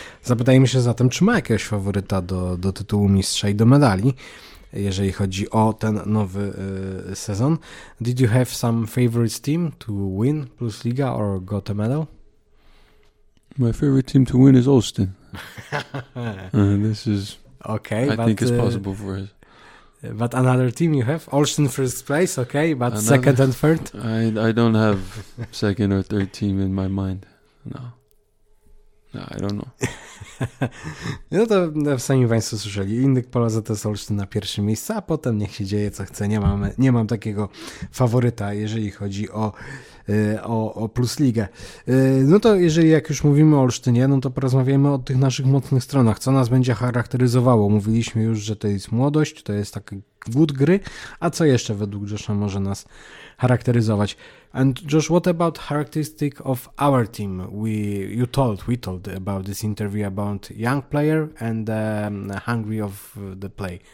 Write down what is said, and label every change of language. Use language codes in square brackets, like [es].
[pl] Zapytajmy się zatem, czy ma jakiegoś faworyta do tytułu mistrza i do medali, jeżeli chodzi o ten nowy sezon. [en] Did you have some favorite team to win Plus Liga or got a medal? My favorite team to win is Austin. this is okay. I think it's possible for us. But another team you have? Austin first place, okay, but another, second and third? I don't have second or third team in my mind. No, I don't know. [pl] No to sami Państwo słyszeli, Indyk Pola ZS Olsztyn na pierwszym miejscu, a potem niech się dzieje co chce, nie mam takiego faworyta, jeżeli chodzi o Plus Ligę. No to jeżeli, jak już mówimy o Olsztynie, no to porozmawiajmy o tych naszych mocnych stronach, co nas będzie charakteryzowało. Mówiliśmy już, że to jest młodość, to jest taki głód gry, a co jeszcze według Josha może nas charakteryzować? [en] And Josh, what about characteristic of our team? We told about this interview about young player and hungry of the play.